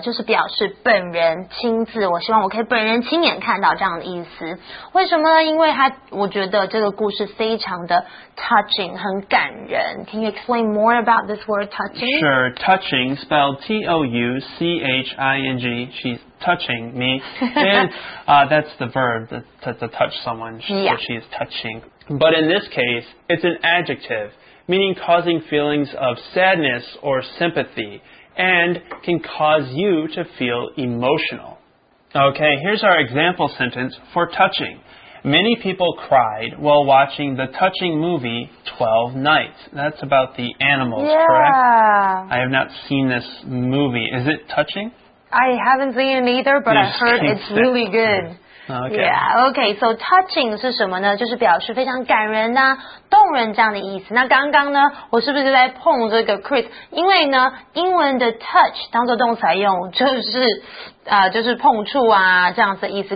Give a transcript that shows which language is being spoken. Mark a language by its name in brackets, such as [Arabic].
[Chinese] 就是表示本人亲自，我希望我可以本人亲眼看到这样的意思。为什么呢？因为他我觉得这个故事非常的 touching, 很感人。 [English] Can you explain more about this word touching? Sure, touching, spelled T-O-U-C-H-I-N-G. She's touching me. And that's the verb, to touch someone. Yeah. She is touching. But in this case, it's an adjective, meaning causing feelings of sadness or sympathy, and can cause you to feel emotional. Okay, here's our example sentence for touching. Many people cried while watching the touching movie 12 Nights. That's about the animals, yeah. Correct? I have not seen this movie. Is it touching? I haven't seen it either, but I heard it's really good. Okay. Yeah, okay, so touching [Chinese] 是什么呢？就是表示非常感人啊，动人这样的意思。那刚刚呢，我是不是在碰这个 Chris？因为呢，英文的 touch 当作动词来用，就是碰触啊，这样子的意思。